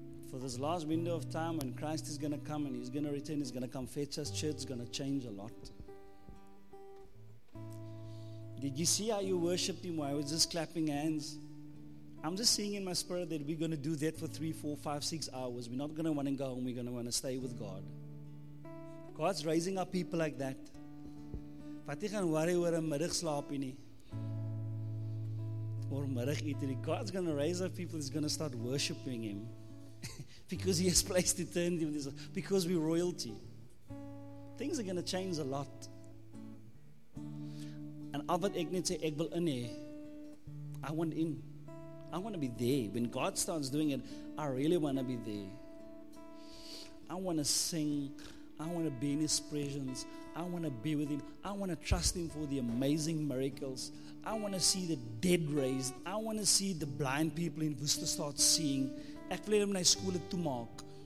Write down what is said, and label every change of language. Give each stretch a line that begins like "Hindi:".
English: For this last window of time, when Christ is going to come and he's going to return, he's going to come fetch us, church, it's going to change a lot. Did you see how you worshipped him while I was just clapping hands? I'm just seeing in my spirit that we're going to do that for 3, 4, 5, 6 hours. We're not going to want to go home. We're going to want to stay with God. God's raising up people like that.
Afrikaans: Wat jy gaan worry oor 'n middag slaapie nie. Oor middag eet nie.
English: God's going to raise up people that's going to start worshipping him. Because he has placed eternity in this. Because we're royalty. Things are going to change a lot. And
Afrikaans: al wat ek net sê, ek wil in hê.
English: I want in. I want to be there. When God starts doing it, I really want to be there. I want to sing. I want to be in his presence. I want to be with him. I want to trust him for the amazing miracles. I want to see the dead raised. I want to see the blind people in Worcester start seeing.
Afrikaans: Ek wil hom na skool toe maak.